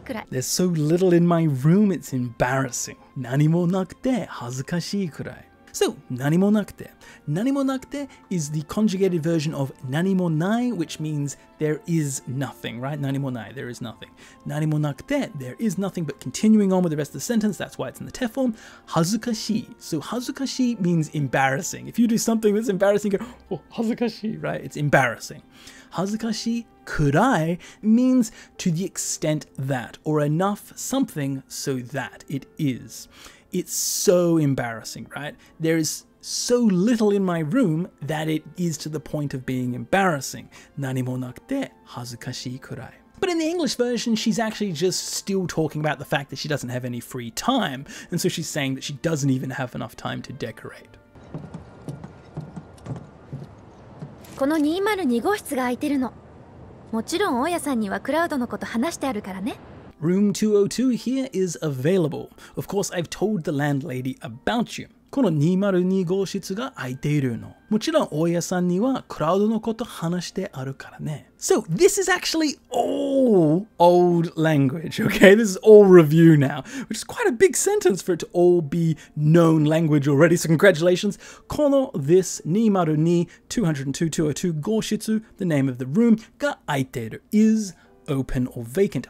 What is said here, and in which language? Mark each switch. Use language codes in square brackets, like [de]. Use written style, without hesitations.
[en] There's so little in my room, it's embarrassing. [ja] 何もなくて恥ずかしいくらい. So, 何もなくて. [en] 何もなくて is the conjugated version of 何もない, which means there is nothing, right? 何もない, there is nothing. 何もなくて, there is nothing, but continuing on with the rest of the sentence, that's why it's in the te form. 恥ずかしい.So, 恥ずかしい means embarrassing. If you do something that's embarrassing, you go, oh, 恥ずかしい, right? It's embarrassing. 恥ずかしくらい means to the extent that, or enough something so that it is. It's so embarrassing, right? There is so little in my room that it is to the point of being embarrassing. [ja] 何もなくて恥ずかしいくらい. [en] But in the English version, she's actually just still talking about the fact that she doesn't have any free time. And so she's saying that she doesn't even have enough time to decorate. [ja] この 202号室が空いてるの。もちろん大家さんにはクラウドのこと話してあるからね。 [en] Room 202 here is available. Of course, I've told the landlady about you. [ja] この 202号室が空いているの。もちろん大家さんにはクラウドのこと話してあるからね。 [en] So this is actually all old language, okay? This is all review now, which is quite a big sentence for it to all be known language already. So congratulations. Kono this 202号室, the name of the room, [ja] が空いている, [en] is open or vacant.